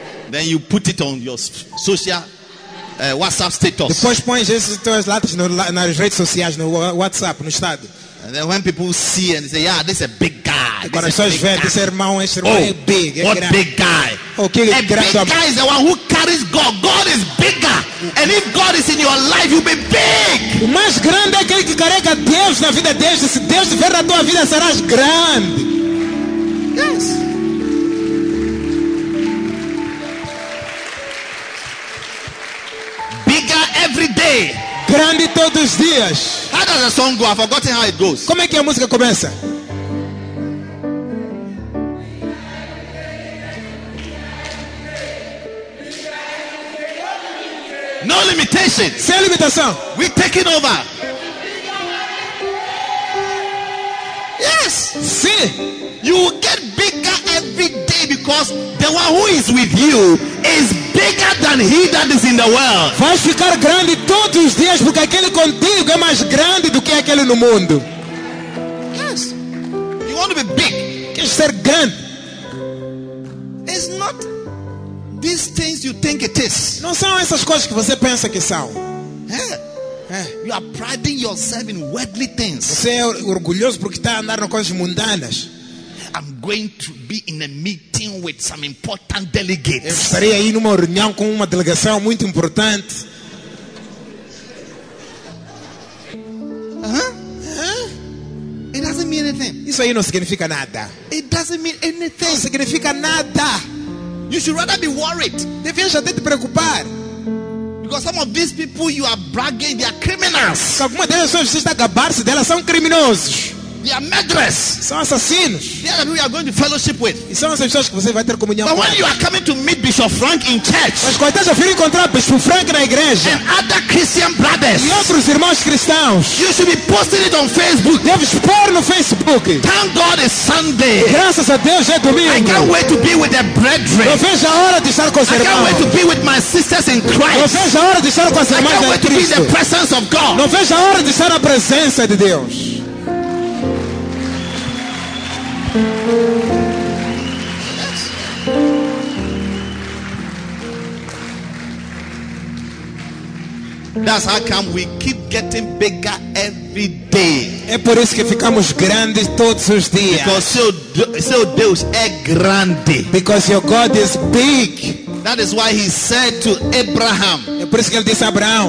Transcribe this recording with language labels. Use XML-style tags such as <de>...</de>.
<en>Then you put it on your social WhatsApp status.</en> <pt>Depois pões esses teus latas nas redes sociais, no WhatsApp, no estado.</pt> <en>And then when people see and say, yeah, this is a big guy.</en> <pt>Agora só vê, esse irmão, esse irmão é big.</pt> <en>What big guy? Okay,</en> <pt>a grande</pt> <en>big guy is the one who carries God. God is bigger. And if God is in your life, you'll be big.</en> <pt>O mais grande é aquele que carrega Deus na vida deles. Se Deus tiver na tua vida, serás grande.</pt> <en>Yes. Bigger every day.</en> <pt>Grande todos os dias.</pt> <en>How does the song go? I've forgotten how it goes.</en> <pt>Como é que a música começa?</pt> <en>No limitation.</en> <pt>Sem limitação.</pt> <en>We take it over. Yes.</en> <pt>Sim.</pt> <en>You will get bigger every day because the one who is with you is bigger than he that is in the world.</en> <pt>Vai ficar grande todos os dias porque aquele contigo é mais grande do que aquele no mundo.</pt> <en>Yes. You want to be big.</en> <pt>Quer ser grande.</pt> <en>It's not these things you think it is.</en> <pt>Não são essas coisas que você pensa que são.</pt> <en>You are priding yourself in worldly things.</en> <pt>Você é orgulhoso porque está andando coisas mundanas.</pt> <en>I'm going to be in a meeting with some important delegates.</en> <pt>Eu estarei aí numa reunião com uma delegação muito importante.</pt> <en>It doesn't doesn't mean anything.</en> <pt>Isso aí não significa nada.</pt> <en>It doesn't mean anything.</en> <pt>Não significa nada.</pt> <en>You should rather be worried.</en> <pt>Devia já ter te preocupar.</pt> <en>Because some of these people you are bragging, they are criminals.</en> <pt>Algumas dessas pessoas que está gabar-se delas são criminosos.</pt> <en>They are murderers.</en> <pt>São assassinos.</pt> <en>They are who you are going to fellowship with.</en> <pt>E são essas pessoas que você vai ter comunhão.</pt> <en>But when you are coming to meet Bishop Frank in church,</en> <pt>mas quando estás a vir encontrar Bishop Frank na igreja,</pt> <en>and other Christian brothers,</en> <pt>e outros irmãos cristãos,</pt> <en>you should be posting it on Facebook.</en> <pt>Deves pôr no Facebook.</pt> <en>Thank God it's Sunday.</en> <pt>Graças a Deus é domingo.</pt> <en>I can't wait to be with the brethren.</en> <pt>Eu vejo a hora de estar com os irmãos.</pt> <en>I can't wait to be with my sisters in Christ.</en> <pt>Eu vejo a hora de estar com as irmãs em Cristo.</pt> <en>I can't wait to be in the presence of God.</en> <pt>Eu vejo a hora de estar na presença de Deus.</pt> <en>That's how come we keep getting bigger every day.</en> <pt>É por isso que ficamos grandes todos os dias.</pt> <en>Because</en> <pt>seu Deus é grande.</pt> <en>Because your God is big. That is why he said to Abraham.</en> <pt>É por isso que ele disse a Abraão.</pt>